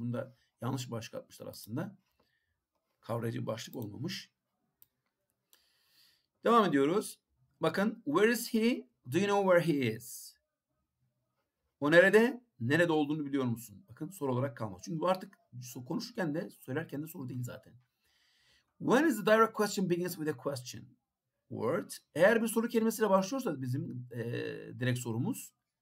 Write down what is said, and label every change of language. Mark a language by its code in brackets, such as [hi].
[tr] Bunda yanlış başlık atmışlar aslında. Kavrayıcı başlık olmamış. [en] Devam ediyoruz. [tr] Bakın, [en] where is he? Do you know where he is? [tr] O nerede? Nerede olduğunu biliyor musun? Bakın soru olarak kalmaz. Çünkü bu artık konuşurken de söylerken de soru değil zaten. [en] When is the direct question begins with a question word? [tr] Eğer bir soru kelimesiyle başlıyorsa bizim direkt sorumuz.